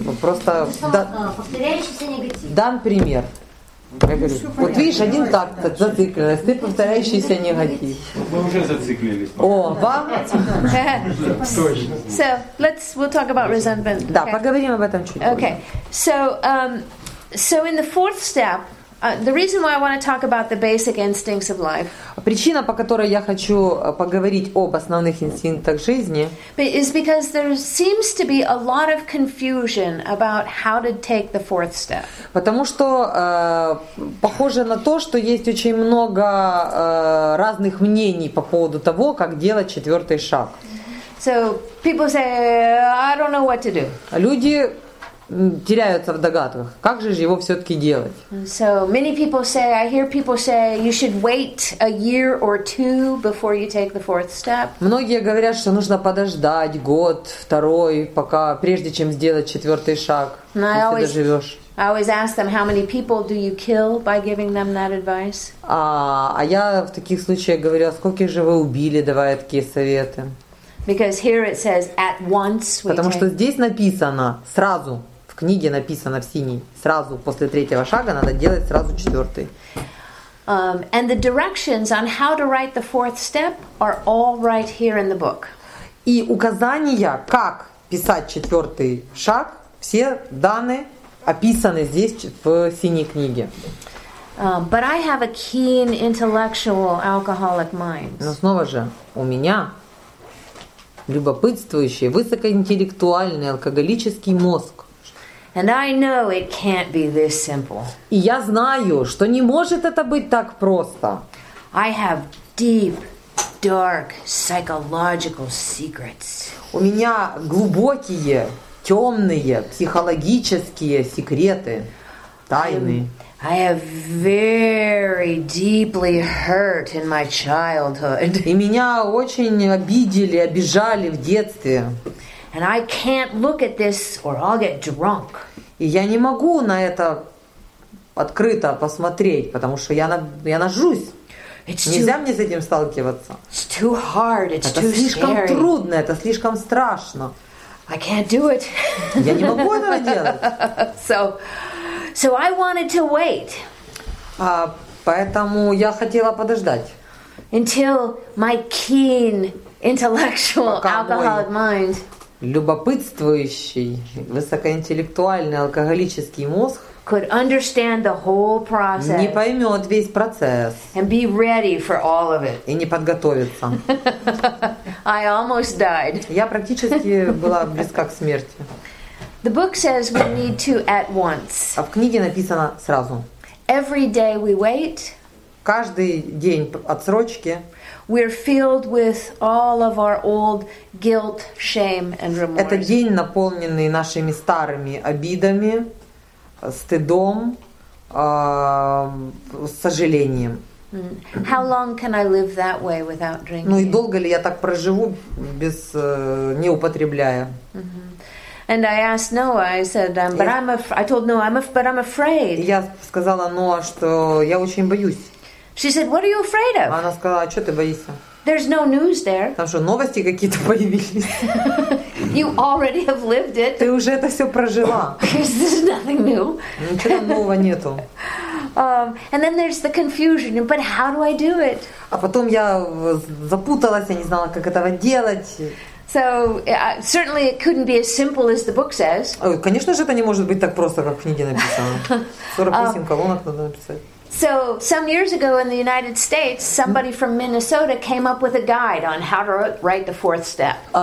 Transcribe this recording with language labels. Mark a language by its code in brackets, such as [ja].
[ru] Просто повторяющийся негатив. Дан пример. Я говорю, ну, вот видишь, один так зациклилась, ты повторяющийся негатив. Мы уже зациклились. О, вам? [en] So, we'll talk about resentment. [ru] Да, поговорим об этом чуть позже. [en] So in the fourth step, the reason why I want to talk about the basic instincts of life. [ru] Причина, по которой я хочу поговорить об основных инстинктах жизни. [en] Is because there seems to be a lot of confusion about how to take the fourth step. [ru] Потому что похоже на то, что есть очень много разных мнений по поводу того, как делать четвертый шаг. [en] So people say, I don't know what to do. [ru] Люди теряются в догадках. Как же его все-таки делать? [en] So many people say, I hear people say, you should wait a year or two before you take the fourth step. [ru] Многие говорят, что нужно подождать год, второй, пока, прежде чем сделать четвертый шаг, если доживешь. [en] I always ask them, how many people do you kill by giving them that advice? [ru] А я в таких случаях говорю, а сколько же вы убили, давая такие советы? [en] Because here it says, at once we [ru] Потому что здесь написано, сразу. В книге написано в синий, сразу после третьего шага надо делать сразу четвертый. [en] And the directions on how to write the fourth step are all right here in the book. [ru] И указания, как писать четвертый шаг, все даны, описаны здесь в синей книге. [en] But I have a keen intellectual alcoholic mind. [ru] Но снова же, у меня любопытствующий, высокоинтеллектуальный алкоголический мозг. [en] And I know it can't be this simple. [ru] И я знаю, что не может это быть так просто. [en] I have deep, dark psychological secrets. [ru] У меня глубокие, темные психологические секреты, тайны. [en] I have very deeply hurt in my childhood. [ru] И меня очень обидели, обижали в детстве. [en] And I can't look at this or I'll get drunk. [ru] И я не могу на это открыто посмотреть, потому что я нажрусь. Нельзя мне с этим сталкиваться. [en] It's too hard, it's too [ru] слишком [en] scary. [ru] Трудно, это слишком страшно. [en] I can't do it. [ru] Я не могу этого делать. [en] So I wanted to wait. [ru] Поэтому я хотела подождать. [en] Until my keen intellectual alcoholic mind. [ru] Любопытствующий, высокоинтеллектуальный алкоголический мозг [en] could understand the whole process [ru] не поймет весь процесс [en] and be ready for all of it. [ru] И не подготовится. [en] I almost died. [ru] Я практически была близка к смерти. [en] The book says we need to at once. [ru] А в книге написано сразу. [en] Every day we wait. [ru] Каждый день отсрочки. [en] We're filled with all of our old guilt, shame, and remorse. [ru] Это день, наполненный нашими старыми обидами, стыдом, сожалением. [en] How long can I live that way without drinking? [ru] Ну и долго ли я так проживу без не употребляя? [en] And I asked Noah. I said, I told Noah, but I'm afraid. [ru] Я сказала Ноа, что я очень боюсь. [en] She said, "What are you afraid of?" [ru] Она сказала, а что ты боишься? [en] There's no news there. [ru] Там что, новости какие-то появились? [en] You already have lived it. [ru] Ты уже это все прожила. [en] There's nothing new. [ru] Ничего там нового нету. [en] And then there's the confusion. But how do I do it? [ru] А потом я запуталась, я не знала, как этого делать. [en] So certainly it couldn't be as simple as the book says. [ru] Конечно же, это не может быть так просто, как в книге написано. 48 колонок надо написать. [en] So some years ago in the United States, somebody from Minnesota came up with a guide on how to write the fourth step.